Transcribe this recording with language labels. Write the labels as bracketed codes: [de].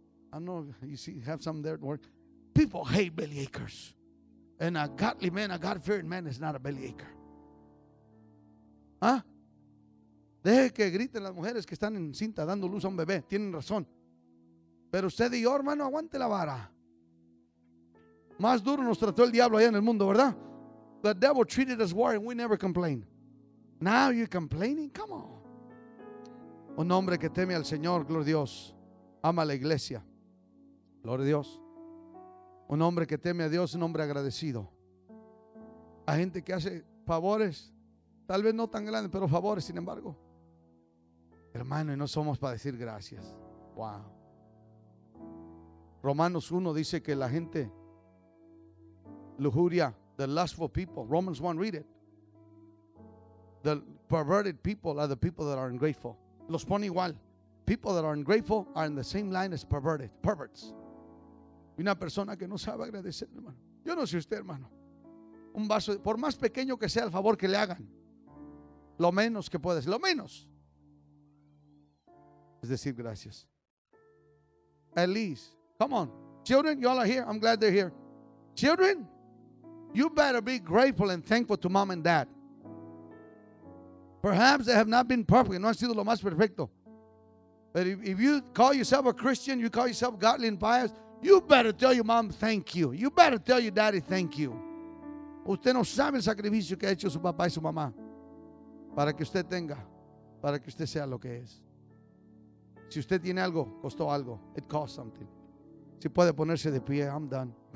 [en] I don't know if you see, have some there at work. People hate belly achers. And a godly man, a God-fearing man is not a belly acher. Huh? [es] Deje que griten las mujeres que están en cinta dando luz a un bebé. Tienen razón. Pero usted y yo, hermano, aguante la vara. Más duro nos trató el diablo allá en el mundo, ¿verdad? [en] The devil treated us worse and we never complained. Now you're complaining? Come on. [es] Un hombre que teme al Señor, gloria a Dios. Ama a la iglesia. Gloria a Dios. Un hombre que teme a Dios, un hombre agradecido. Hay gente que hace favores, tal vez no tan grandes, pero favores, sin embargo. Hermano, y no somos para decir gracias. Wow. Romanos 1 dice que la gente lujuria, [en] the lustful people, Romans 1, read it. The perverted people are the people that are ungrateful. [es] Los pone igual. [en] People that are ungrateful are in the same line as perverted, perverts. [es] Y una persona que no sabe agradecer, hermano. Yo no sé usted, hermano. Un vaso, por más pequeño que sea el favor que le hagan, lo menos que puede ser, lo menos, es decir gracias. [en] At least, come on. Children, y'all are here. I'm glad they're here. Children, you better be grateful and thankful to mom and dad. Perhaps they have not been perfect. [es] No han sido lo más perfecto. [en] But if you call yourself a Christian, you call yourself godly and pious, you better tell your mom thank you. You better tell your daddy thank you. [es] Usted no sabe el sacrificio que ha hecho su papá y su mamá para que usted tenga, para que usted sea lo que es. Si usted tiene algo, costó algo. [en] It cost something. [es] Si puede ponerse de pie, [en] I'm done.